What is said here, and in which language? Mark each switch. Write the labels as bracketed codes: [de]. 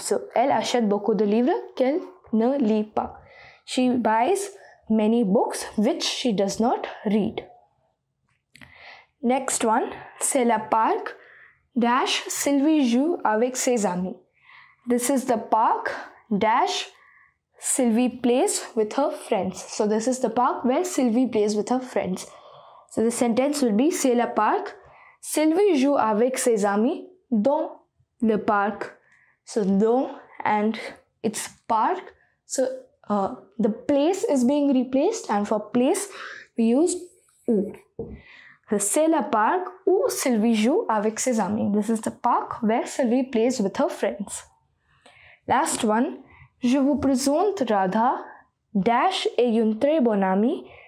[fr] So, elle achète beaucoup de livres qu'elle ne lit pas. [en] She buys many books which she does not read. Next one, [fr] c'est le parc dash Sylvie joue avec ses amis. [en] This is the park dash Sylvie plays with her friends. So, this is the park where Sylvie plays with her friends. So, the sentence will be [fr] c'est le parc. Sylvie joue avec ses amis dans le parc. [en] So, dans and it's park. So, the place is being replaced and for place, we use où. [fr] So, c'est le parc où Sylvie joue avec ses amis. [en] This is the park where Sylvie plays with her friends. Last one, [fr] je vous présente Radha dash est une très bonne amie.